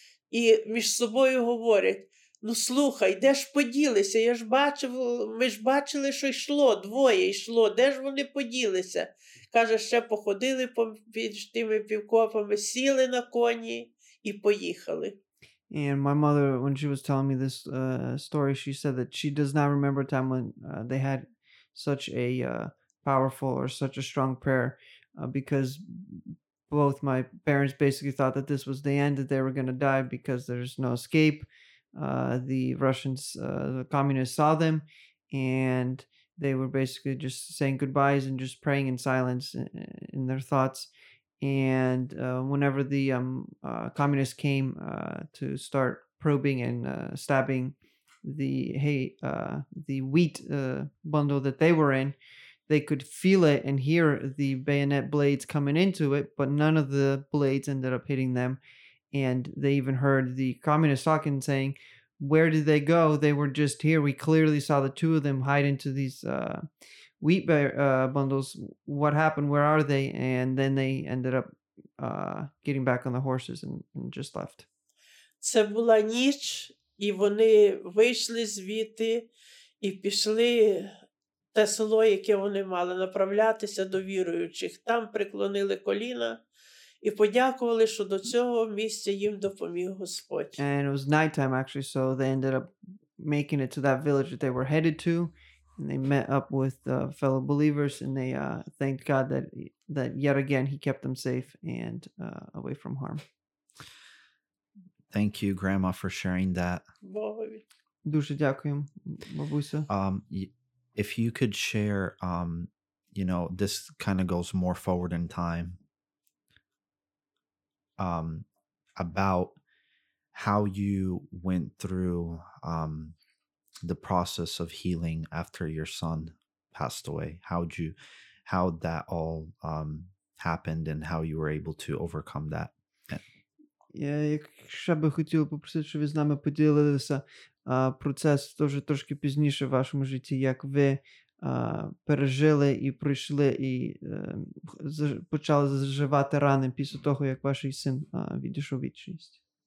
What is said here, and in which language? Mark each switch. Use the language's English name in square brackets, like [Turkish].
[Ukrainian] І між собою говорять, ну слухай, де ж поділися? Я ж бачив, ми ж бачили, що йшло, двоє йшло, де ж вони поділися? Каже, ще походили під тими півкопами, сіли на коні і поїхали. [English] And my mother, when she was telling me this story, she said that she does not remember a time when they had such a powerful or such a strong prayer, because both my parents basically thought that this was the end, that they were going to die because there's no escape. The Russians, the communists saw them, and they were basically just saying goodbyes and just praying in silence in their thoughts. And whenever the communists came to start probing and stabbing the wheat bundle that they were in, they could feel it and hear the bayonet blades coming into it, but none of the blades ended up hitting them. And they even heard the communists talking, saying, where did they go? They were just here. We clearly saw the two of them hide into these wheat bundles. What happened? Where are they? And then they ended up getting back on the horses and just left. [Ukrainian] Це була ніч, і вони вийшли звідти і пішли те село, яке вони мали направлятися до віруючих. Там преклонили коліна і подякували, що до цього місця їм допоміг Господь. [English] And it was nighttime, actually, so they ended up making it to that village that they were headed to. And they met up with fellow believers, and they thanked God that yet again he kept them safe and away from harm. Thank you, Grandma, for sharing that. [Ukrainian] Дуже дякуємо, бабуся. [English] If you could share, you know, this kind of goes more forward in time, about how you went through the process of healing after your son passed away. How'd that all happened, and how you were able to overcome that? [Ukrainian] Якщо би хотів попросити, щоб ви з нами поділилися процес теж трошки пізніше в вашому житті, як ви пережили і пройшли і почали заживати рани після того, як ваш син відійшов вічність.